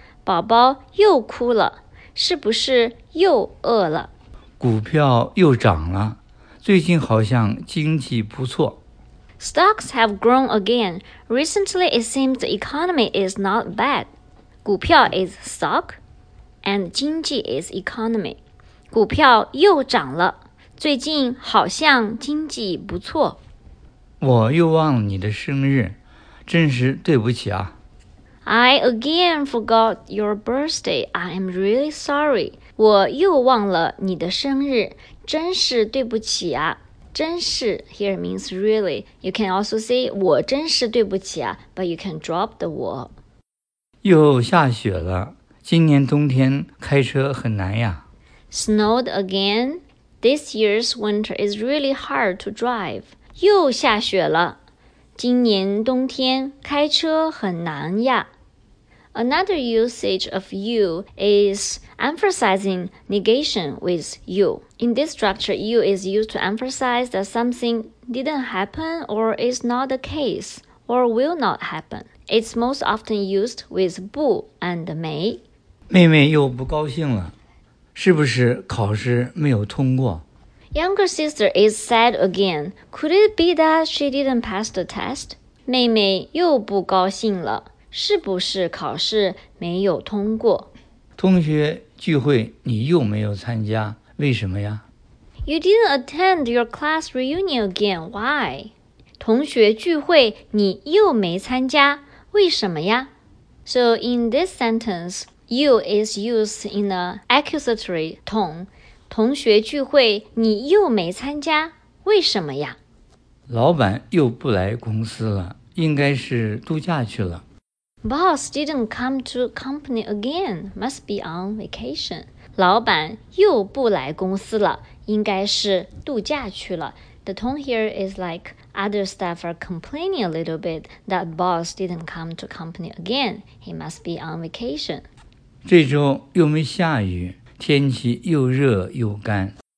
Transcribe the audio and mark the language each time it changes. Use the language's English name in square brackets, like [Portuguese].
[Chinese] 宝宝又哭了，是不是又饿了？股票又涨了，最近好像经济不错。 [English] Stocks have grown again. Recently, it seems the economy is not bad. 股票 is stock, and 经济 is economy. [Chinese] 股票又涨了，最近好像经济不错。我又忘了你的生日，真是对不起啊。 [English] I again forgot your birthday. I am really sorry. [Chinese] 我又忘了你的生日，真是对不起啊。 [English] 真是 here means really. You can also say [Chinese] 我真是对不起啊， [English] but you can drop the 我。 [Chinese] 又下雪了，今年冬天开车很难呀。 [English] Snowed again. This year's winter is really hard to drive. [Chinese] 又下雪了，今年冬天开车很难呀。 [English] Another usage of you is emphasizing negation with you. In this structure, you is used to emphasize that something didn't happen or is not the case or will not happen. It's most often used with 不 and 没. [Chinese] 妹妹又不高兴了，是不是考试没有通过？ [English] Younger sister is sad again. Could it be that she didn't pass the test? [Chinese] 妹妹又不高兴了。是不是考试没有通过？同学聚会你又没有参加，为什么呀？ [English] You didn't attend your class reunion again, why? [Chinese] 同学聚会你又没参加，为什么呀？ [English] So in this sentence, you is used in an accusatory tone. [Chinese] 同学聚会你又没参加，为什么呀？老板又不来公司了，应该是度假去了。 [English] Boss didn't come to company again. Must be on vacation. [Chinese] 老板又不来公司了，应该是度假去了。 [English] The tone here is like other staff are complaining a little bit that boss didn't come to company again. He must be on vacation. [Chinese] 这周又没下雨，天气又热又干。